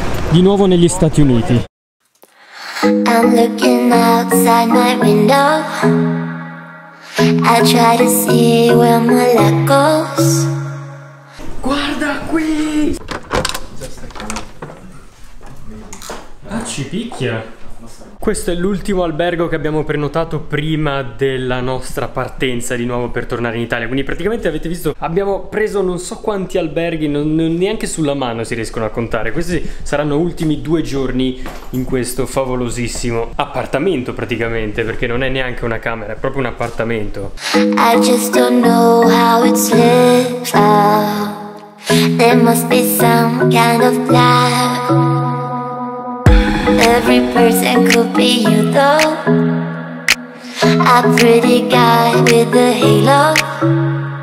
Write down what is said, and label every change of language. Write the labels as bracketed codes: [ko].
[it] di nuovo negli Stati Uniti. [en] I'm looking outside my window. I try to see where my luck goes. [it] Guarda qui! Ah, ci picchia! Questo è l'ultimo albergo che abbiamo prenotato prima della nostra partenza di nuovo per tornare in Italia. Quindi praticamente avete visto, abbiamo preso non so quanti alberghi, non neanche sulla mano si riescono a contare. Questi saranno ultimi 2 giorni in questo favolosissimo appartamento praticamente, perché non è neanche una camera, è proprio un appartamento. [en] I just don't know how it's lived out. There must be some kind of plan. Every person could be you though. A pretty guy with a halo.